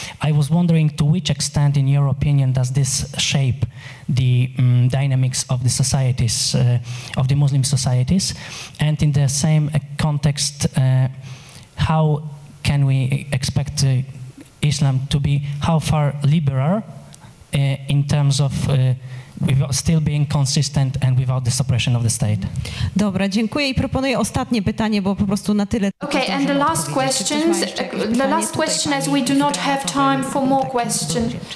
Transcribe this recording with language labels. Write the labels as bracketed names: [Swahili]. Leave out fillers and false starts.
[English] I was wondering, to which extent, in your opinion, does this shape the dynamics of the societies of the Muslim societies? And in the same context, how can we expect Islam to be, how far liberal in terms of without still being consistent and without the suppression of the state? [Polish] Dobra, dziękuję i proponuję ostatnie pytanie, bo po prostu na tyle. [English] Okay, and the last question as we do not have time for more questions.